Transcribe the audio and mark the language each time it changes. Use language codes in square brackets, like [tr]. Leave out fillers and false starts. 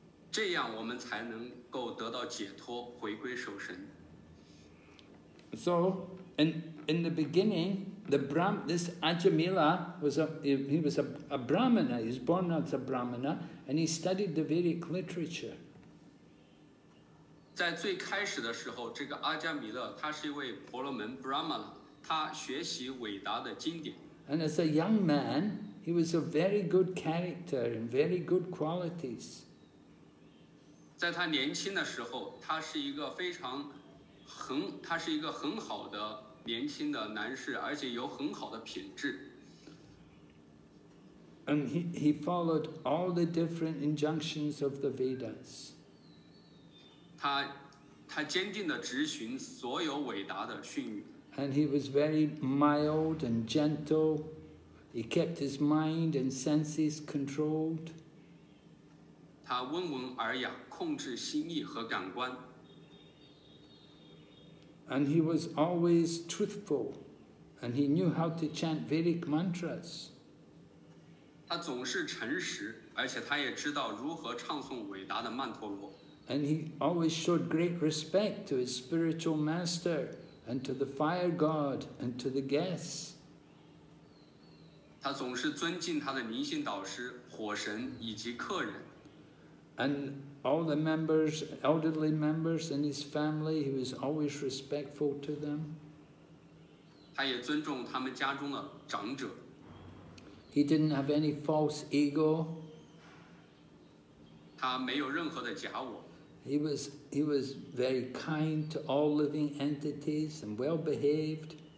[zh] 这样我们才能够得到解脱，回归受身。 [en] So in the beginning, this Ajamila was a Brahmana. He was born as a Brahmana, and he studied the Vedic literature. [zh] 在最开始的时候，这个阿加米勒他是一位婆罗门 Brahmana， 他学习伟达的经典。 [en] And as a young man, he was a very good character and very good qualities. [zh] 在他年轻的时候，他是一个非常他是一个很好的年轻的男士，而且有很好的品质。 [en] And he followed all the different injunctions of the Vedas. [zh] 他坚定地执行所有伟达的训谕。 [en] And he was very mild and gentle. He kept his mind and senses controlled. [zh] 他温文尔雅，控制心意和感官。 [en] And he was always truthful, and he knew how to chant Vedic mantras. [zh] 他总是诚实，而且他也知道如何唱诵伟达的曼陀罗。 [en] And he always showed great respect to his spiritual master.And to the fire god and to the guests. [zh] 他总是尊敬他的灵性导师、火神以及客人。 [en] And all the members, elderly members in his family, he was always respectful to them. [zh] 他也尊重他们家中的长者。 [en] He didn't have any false ego. [zh] 他没有任何的假我。 [en] He was very kind to all living entities and well behaved.